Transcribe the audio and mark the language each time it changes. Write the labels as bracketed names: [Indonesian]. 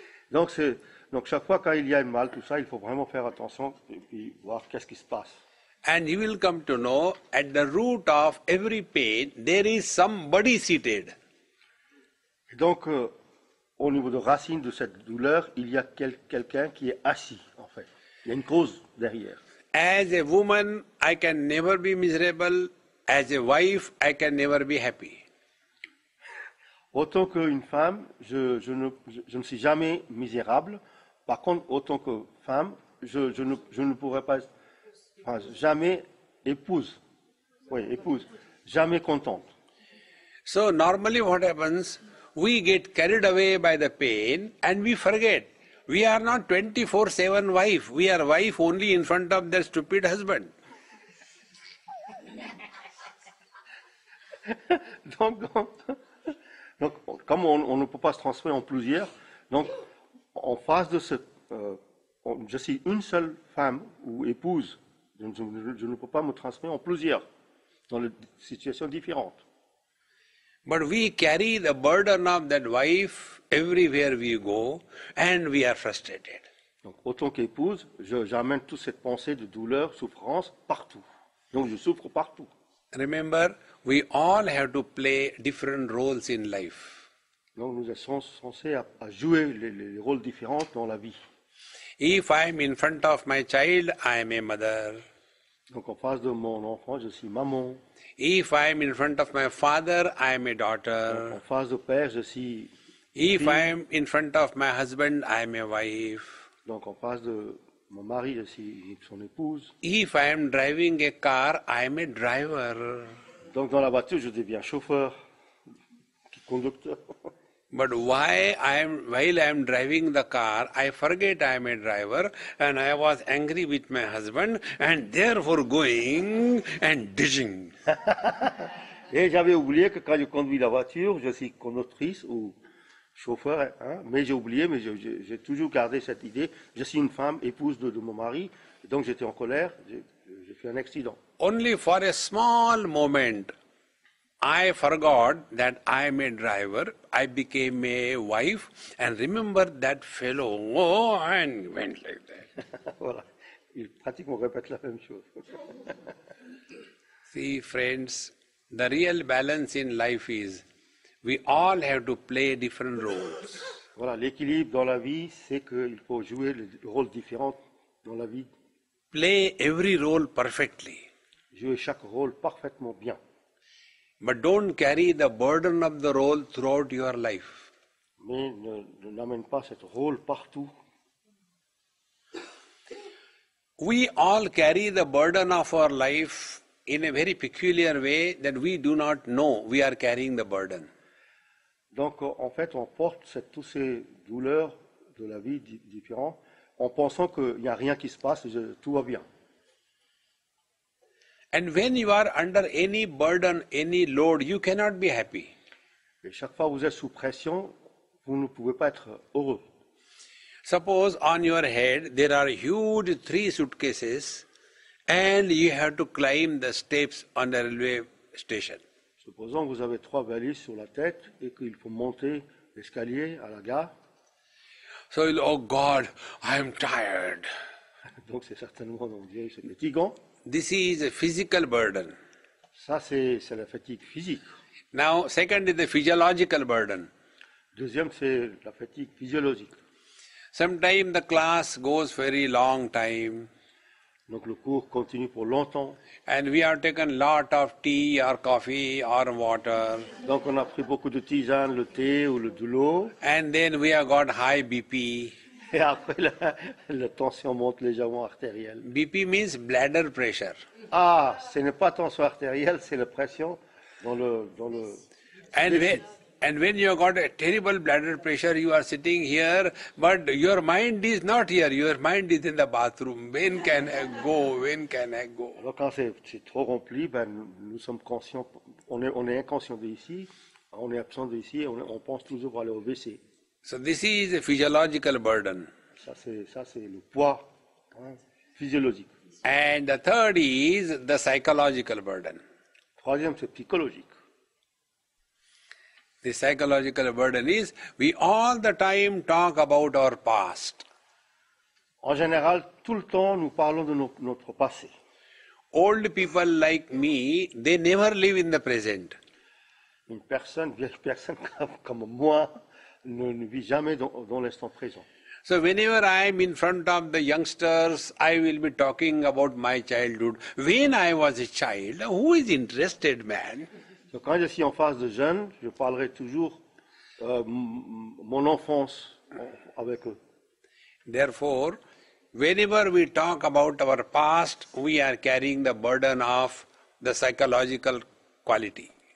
[French] Donc chaque fois quand il y a un mal, tout ça, il faut vraiment faire attention et puis voir qu'est-ce qui se passe. [English] And you will come to know at the root of every pain, there is somebody seated. [French] Et donc, au niveau de racine de cette douleur, il y a quelqu'un qui est assis, en fait. Il y a une cause derrière. [English] As a woman, I can never be miserable. As a wife, I can never be happy. [French] Autant qu'une femme, je ne suis jamais misérable. Par contre, autant que femme, je ne pourrais pas, enfin, jamais épouse. Oui, épouse. Jamais contente. [English] So normally what happens, we get carried away by the pain and we forget. We are not 24/7 wife. We are wife only in front of their stupid husband. [French] Donc, comme on ne peut pas se transférer en plusieurs, donc en face de ce, je suis une seule femme ou épouse, je ne peux pas me transférer en plusieurs dans des situations différentes. [English] But we carry the burden of that wife everywhere we go and we are frustrated. [French] Donc, autant qu'épouse, j'amène toute cette pensée de douleur, souffrance partout. Donc, je souffre partout. [English] Remember, we all have to play different roles in life. [French] Donc, nous sommes censés à jouer les rôles différents dans la vie. [English] If I'm in front of my child, I am a mother. [French] Donc, en face de mon enfant, je suis maman. [English] If I'm in front of my father, I am a [French] Donc, [English] daughter. [French] en face de père, je suis [English] If [French] fille. [English] I'm in front of my husband, I am a wife. [French] Donc, en face de mon mari, je suis son épouse. [English] If I'm driving a car, I am a driver. [French] Donc, dans la voiture, je deviens chauffeur, conducteur. [English] But while I'm driving the car, I forget I'm a driver and I was angry with my husband and therefore going and ditching. [French] Et j'avais oublié que quand je conduis la voiture, je suis conductrice ou chauffeur, hein, mais j'ai oublié, mais j'ai toujours gardé cette idée. Je suis une femme, épouse de mon mari, Donc j'étais en colère, j'ai fait un accident. [English] Only for a small moment, I forgot that I am a driver, I became a wife, and remember that fellow, oh, and went like that. [French] Voilà, il pratiquement répète la même chose. [English] See, friends, the real balance in life is, we all have to play different roles. [French] Voilà, l'équilibre dans la vie, c'est qu'il faut jouer le rôle différent dans la vie. [English] Play every role perfectly. [French] Jouer chaque rôle parfaitement bien. [English] But don't carry the burden of the role throughout your life. [French] Mais n'amène pas cette rôle partout. [English] We all carry the burden of our life in a very peculiar way that we do not know we are carrying the burden. [French] Donc en fait on porte tous ces douleurs de la vie différents en pensant qu'il n'y a rien qui se passe, tout va bien. [English] And when you are under any burden, any load, you cannot be happy. [French] Et chaque fois que vous êtes sous pression, vous ne pouvez pas être heureux. [English] Suppose on your head there are huge 3 suitcases and you have to climb the steps on the railway station. [French] Supposons que vous avez 3 valises sur la tête et qu'il faut monter l'escalier à la gare. [English] So, oh God, I'm tired. [French] Donc c'est certainement on dirait c'est fatigant. [English] This is a physical burden. [French] Ça c'est la fatigue physique. [English] Now second is the physiological burden. [French] Deuxième c'est la fatigue physiologique. [English] Sometimes the class goes very long time. [French] Donc le cours continue pour longtemps. [English] And we have taken lot of tea or coffee or water. [French] Donc on a pris beaucoup de tisane, le thé ou de l'eau. [English] And then we have got high BP. [French] Et après, la tension monte légèrement artérielle. [English] BP means bladder pressure. [French] Ah, ce n'est pas tension artérielle, c'est la pression dans le. [English] And when you got a terrible bladder pressure, you are sitting here, but your mind is not here. Your mind is in the bathroom. When can I go? [French] Alors quand c'est trop rempli, ben nous sommes conscients, on est inconscient de ici, on est absent de ici, on pense toujours aller au WC. [English] So this is a physiological burden. [French] Ça c'est le poids physiologique. [English] And the third is the psychological burden. [French] Troisième c'est psychologique. [English] The psychological burden is we all the time talk about our past. [French] En général, tout le temps nous parlons de notre passé. [English] Old people like me, they never live in the present. [French] Une personne, vieille personne comme moi. Ne vit jamais dans l'instant présent. [English] So whenever I am in front of the youngsters, I will be talking about my childhood. When I was a child, who is interested, man? [French] So quand je suis en face de jeunes, je parlerai toujours mon enfance avec eux. [English] Therefore, whenever we talk about our past, we are carrying the burden of the psychological quality.